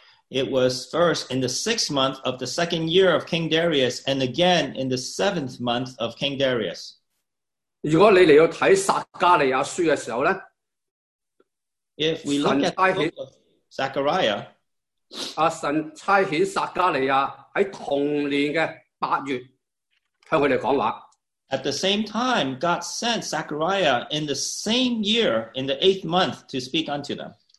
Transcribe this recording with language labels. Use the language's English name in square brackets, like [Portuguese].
[English] it was first in the sixth month of the second year of King Darius, and again in the seventh month of King Darius. [Chinese] 如果你来看撒加利亚书的时候呢, [English] if we look at the book of Zechariah, [Chinese] 神差遣撒加利亚在同年的八月向他们讲话。 [English] At the same time, God sent Zechariah in the same year, in the eighth month, to speak unto them.